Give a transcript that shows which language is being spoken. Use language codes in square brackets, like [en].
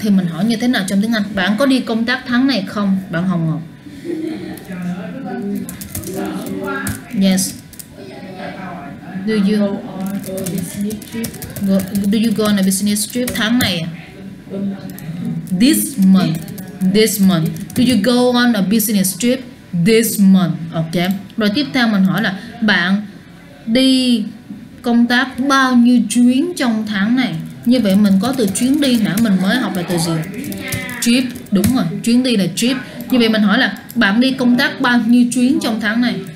[vi] Thì mình hỏi như thế nào trong tiếng Anh? Bạn có đi công tác tháng này không? Bạn Hồng Ngọc. [en] Yes. Do you go on a business trip [vi] tháng này? [en] This month. Do you go on a business trip this month? Okay. [vi] Rồi tiếp theo mình hỏi là bạn đi công tác bao nhiêu chuyến trong tháng này? Như vậy mình có từ chuyến đi nãy mình mới học là từ gì? Trip, đúng rồi, chuyến đi là trip. Như vậy mình hỏi là bạn đi công tác bao nhiêu chuyến trong tháng này?